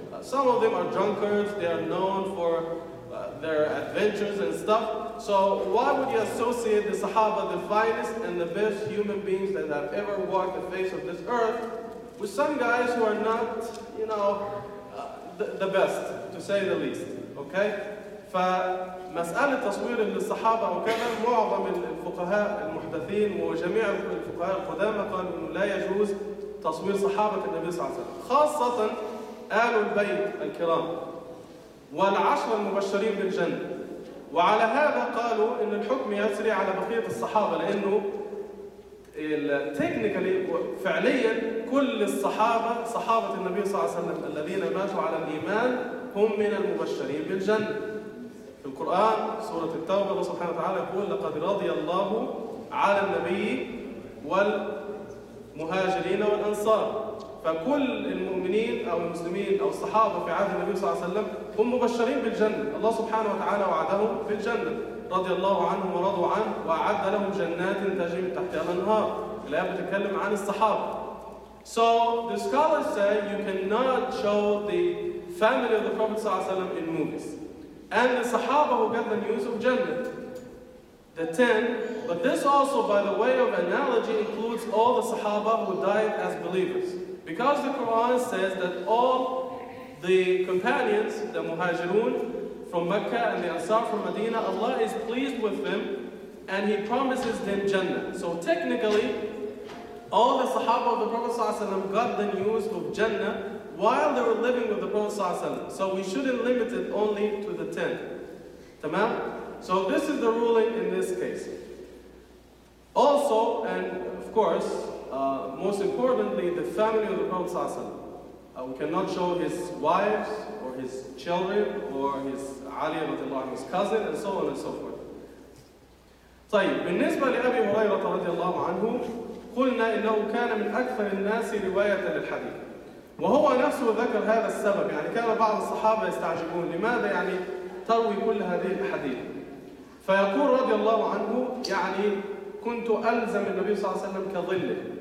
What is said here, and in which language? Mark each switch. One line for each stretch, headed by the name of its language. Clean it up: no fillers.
English: Some of them are drunkards, they are known for their adventures and stuff. So why would you associate the Sahaba, the finest and the best human beings that have ever walked the face of this earth, with some guys who are not, you know, the best, to say the least, okay?
Arabic: فمسألة تصوير للصحابة وكذا معظم الفقهاء المحدثين وجميع الفقهاء القدامى قالوا أنه لا يجوز تصوير صحابة النبي صلى الله عليه وسلم، خاصة آل البيت الكرام والعشر المبشرين بالجنة. وعلى هذا قالوا أن الحكم يسري على بقية الصحابة، لأنه تكنيكالي فعليا كل الصحابة صحابة النبي صلى الله عليه وسلم الذين ماتوا على الإيمان هم من المبشرين بالجنة. في القرآن سورة التوبة الله سبحانه وتعالى يقول لقد رضي الله على النبي والمهاجرين والأنصار، فكل المؤمنين أو المسلمين أو الصحابة في عهد النبي صلى الله عليه وسلم هم مبشرين بالجنة، الله سبحانه وتعالى وعدهم بالجنة، رضي الله عنهم ورضوا عنه وأعد لهم جنات تجري من تحتها الأنهار. الآية بتتكلم عن الصحابة.
English: So the scholars say you cannot show the family of the Prophet
Arabic: صلى الله عليه وسلم
English: in movies. And the Sahaba who get the news of Jannah, the 10. But this also, by the way of analogy, includes all the Sahaba who died as believers. Because the Quran says that all the companions, the Muhajirun from Mecca and the Ansar from Medina, Allah is pleased with them and He promises them Jannah. So technically, all the Sahaba of the Prophet ﷺ got the news of Jannah while they were living with the Prophet ﷺ. So we shouldn't limit it only to the 10. Tamam? So this is the ruling in this case. Also, and of course, most importantly, the family of the Prophet ﷺ. We cannot show his wives or his children or his Ali radiallahu anhu, his cousin, and so on and so forth.
Arabic: طيب, بالنسبة لأبي هريرة رضي الله عنه, قلنا إنه كان من أكثر الناس رواية للحديث. وهو نفسه ذكر هذا السبب, يعني كان بعض الصحابة يستعجبون لماذا يعني تروي كل هذه الحديث. فيقول رضي الله عنه, يعني كنت ألزم النبي صلى الله عليه وسلم كظله.